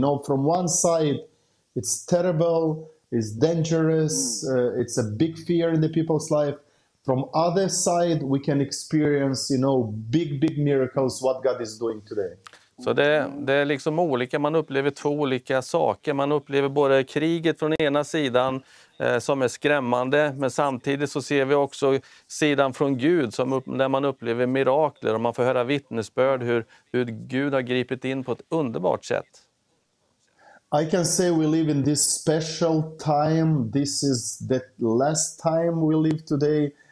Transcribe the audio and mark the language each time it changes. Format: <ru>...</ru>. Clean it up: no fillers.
<en>You know, from one side it's terrible, it's dangerous, it's a big fear in the people's life. From other side we can experience, you know, big miracles what God is doing today.</en> <sv>Så det är liksom olika, man upplever två olika saker. Man upplever både kriget från ena sidan som är skrämmande, men samtidigt så ser vi också sidan från Gud som när man upplever mirakler och man får höra vittnesbörd hur Gud har gripit in på ett underbart sätt.</sv> <en>I can say we live in this special time. This is the last time we live today.</en>